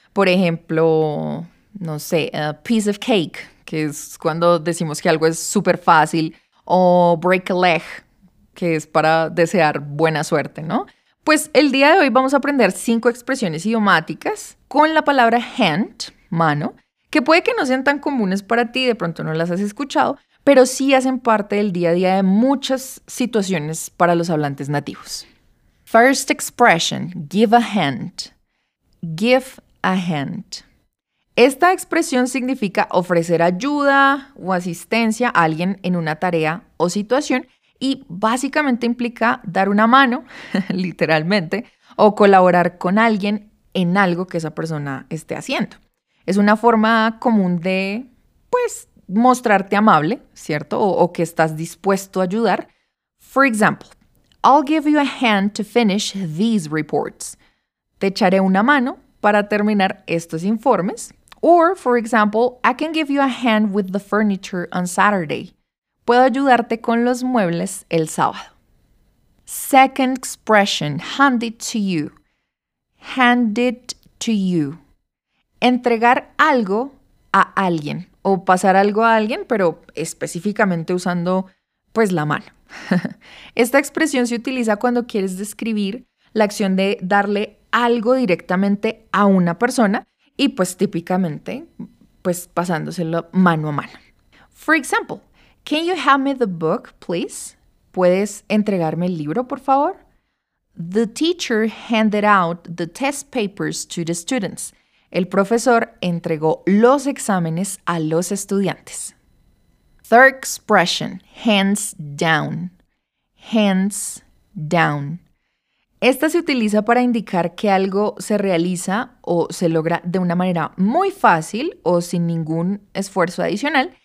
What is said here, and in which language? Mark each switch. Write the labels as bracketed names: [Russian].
[Spanish] Por ejemplo, no sé, [English] a piece of cake, [Spanish] que es cuando decimos que algo es súper fácil, o [English] break a leg, [Spanish] que es para desear buena suerte, ¿no? Pues el día de hoy vamos a aprender 5 expresiones idiomáticas con la palabra hand, mano, que puede que no sean tan comunes para ti, de pronto no las has escuchado, pero sí hacen parte del día a día de muchas situaciones para los hablantes nativos. [English] First expression, give a hand. Give a hand. [Spanish] Esta expresión significa ofrecer ayuda o asistencia a alguien en una tarea o situación y básicamente implica dar una mano, literalmente, o colaborar con alguien en algo que esa persona esté haciendo. Es una forma común de, pues, mostrarte amable, ¿cierto? O que estás dispuesto a ayudar. [English] For example, I'll give you a hand to finish these reports. [Spanish] Te echaré una mano para terminar estos informes. [English] Or, for example, I can give you a hand with the furniture on Saturday. [Spanish] Puedo ayudarte con los muebles el sábado. [English] Second expression, hand it to you. Hand it to you. [Spanish] Entregar algo a alguien o pasar algo a alguien, pero específicamente usando, pues, la mano. Esta expresión se utiliza cuando quieres describir la acción de darle algo directamente a una persona y, pues, típicamente, pues, pasándoselo mano a mano. [English] For example, can you hand me the book, please? [Spanish] ¿Puedes entregarme el libro, por favor? [English] The teacher handed out the test papers to the students. [Spanish] El profesor entregó los exámenes a los estudiantes. [English] Third expression, hands down. Hands down. [Spanish] Esta se utiliza para indicar que algo se realiza o se logra de una manera muy fácil o sin ningún esfuerzo adicional.